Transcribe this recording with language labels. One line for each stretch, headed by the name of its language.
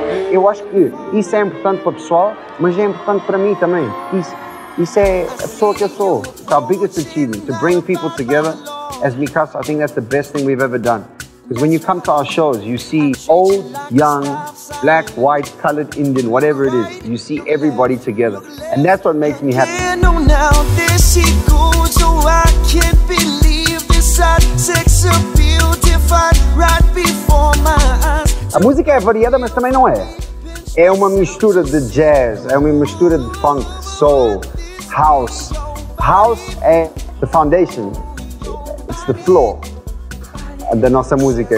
Portuguese: Eu acho que isso é importante para o pessoal, mas é importante para mim também. Isso é a pessoa que eu sou.
English: It's our biggest achievement, to bring people together as Mikasa. I think that's the best thing we've ever done. Because when you come to our shows, you see old, young, black, white, colored, Indian, whatever it is, you see everybody together. And that's what makes me happy. Now there she goes, oh, I can't believe this. I sex a beautified right before my eyes.
Portuguese: A música é variada, mas também não é. É uma mistura de jazz, é uma mistura de funk, soul, house.
English: House é the foundation, it's the floor
Portuguese: da nossa música.